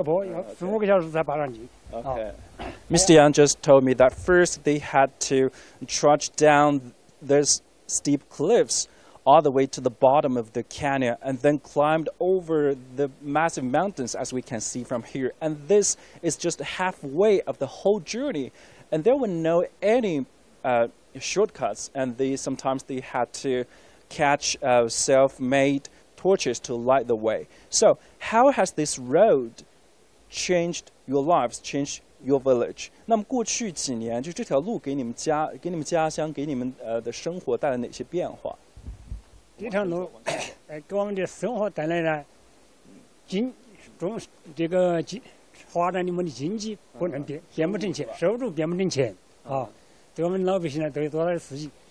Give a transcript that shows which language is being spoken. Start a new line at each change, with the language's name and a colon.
Chinese: 大约要13个小时，13个小时才走呢。就是从那个从家里面出发，下下河来爬坡，爬坡要爬5个小时，再下县城起码要三四个小时。爬那个坡要15个小时才爬上去。Okay.
English: Mr. Yang just told me that first they had to trudge down this steep cliffs all the way to the bottom of the canyon, and then climbed over the massive mountains, as we can see from here. And this is just halfway of the whole journey. And there were no any shortcuts. And sometimes they had to catch self-made torches to light the way. So how has this road changed your lives, changed your village?
Chinese: 那么过去几年，就这条路给你们家乡，给你们的生活带来哪些变化？这条路，给我们的生活带来了，经，中，这个经。发展你们的经济不能变，变不成钱，收入变不成钱啊，对我们老百姓呢都有多大的刺激。